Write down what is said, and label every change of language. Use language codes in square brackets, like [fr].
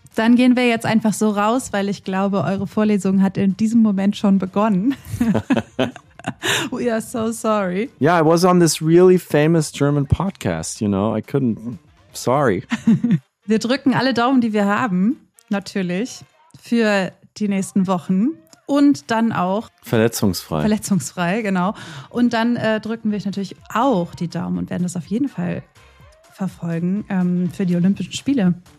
[de] Dann gehen wir jetzt einfach so raus, weil ich glaube, eure Vorlesung hat in diesem Moment schon begonnen. [en] We are so sorry. Yeah, I was on this really famous German podcast, you know. I couldn't. Sorry. [de] Wir drücken alle Daumen, die wir haben, natürlich, für die nächsten Wochen. Und dann auch. Verletzungsfrei. Verletzungsfrei, genau. Und dann drücken wir natürlich auch die Daumen und werden das auf jeden Fall verfolgen für die Olympischen Spiele.